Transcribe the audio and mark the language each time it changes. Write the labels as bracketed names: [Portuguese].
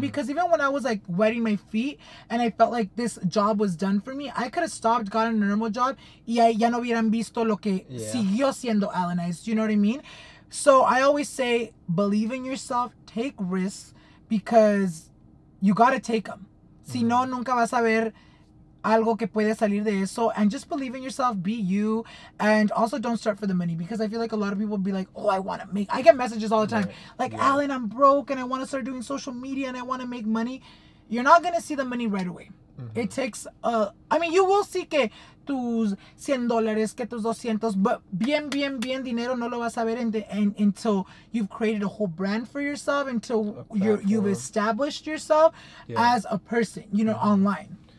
[English] Because even when I was like wetting my feet and I felt like this job was done for me, I could have stopped, gotten a normal job, [Spanish] y ya no hubieran visto lo que siguió siendo Alanized. [English] You know what I mean? So I always say, believe in yourself, take risks, because you gotta take them. [Spanish] Si no, nunca vas a ver algo que puede salir de eso. [English] And just believe in yourself, be you, and also don't start for the money, because I feel like a lot of people be like, oh, I want to make, I get messages all the time, like, Alan, I'm broke and I want to start doing social media and I want to make money. You're not going to see the money right away. It takes, I mean, you will see [Spanish] que tus $100, que tus 200, [English] but [Spanish] bien, bien, bien dinero no lo vas a ver [English] until you've created a whole brand for yourself, until you've established yourself as a person, you know, online.